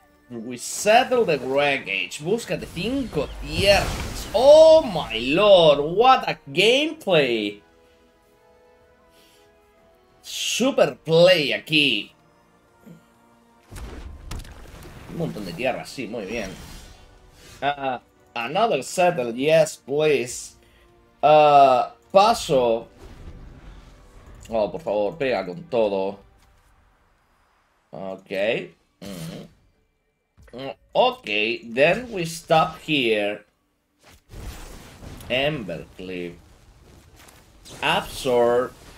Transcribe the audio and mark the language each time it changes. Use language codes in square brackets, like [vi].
[en] We settle the wreckage. [es] Búscate 5 tierras. [en] Oh my lord. What a gameplay. Super play [es] aquí. Un montón de tierra, sí, muy bien. [en] Another settle, yes, please. [es] Paso. Oh, por favor, pega con todo. [en] Ok. Ok, then we stop here. Embercleave. Absorb.